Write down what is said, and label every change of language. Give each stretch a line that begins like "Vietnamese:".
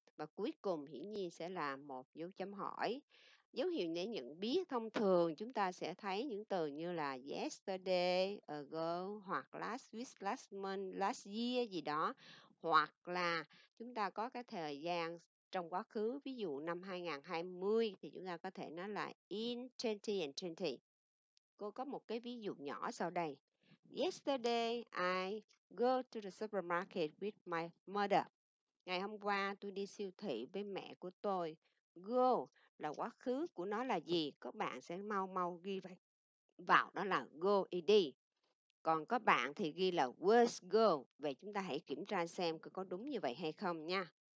Vietnamese: Và cuối cùng hiển nhiên sẽ là một dấu chấm hỏi. Dấu hiệu để nhận biết thông thường chúng ta sẽ thấy những từ như là yesterday, ago, hoặc last week, last month, last year gì đó. Hoặc là chúng ta có cái thời gian trong quá khứ, ví dụ năm 2020 thì chúng ta có thể nói là in 2020. Cô có một cái ví dụ nhỏ sau đây.
English: Yesterday I go to the supermarket with my mother.
Vietnamese: Ngày hôm qua tôi đi siêu thị với mẹ của tôi. Go là quá khứ của nó là gì? Các bạn sẽ mau mau ghi vào đó là go ed. Còn các bạn thì ghi là was go. Vậy chúng ta hãy kiểm tra xem có đúng như vậy hay không nha.